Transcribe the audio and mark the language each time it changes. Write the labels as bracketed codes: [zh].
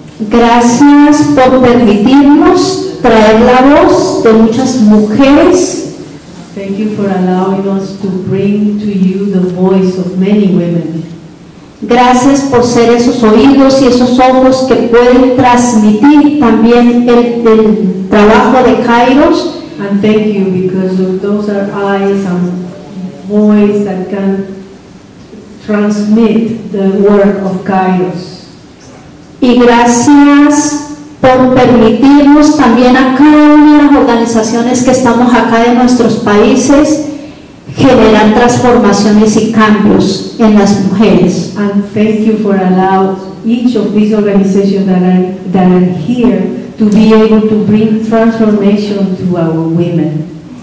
[es] Gracias por permitirnos traer la voz de muchas mujeres. [en] Thank you for allowing us to bring to you the voice of many women. [es] Gracias por ser esos oídos y esos ojos que pueden transmitir también el trabajo de Kairos. [en] And thank you because of those are eyes and voice that can transmit the work of Kairos. [es] Y gracias por permitirnos también a cada una de las organizaciones que estamos acá de nuestros países generar transformaciones y cambios en las mujeres. [en] And thank you for allowing each of these organizations that are here to be able to bring transformation to our women.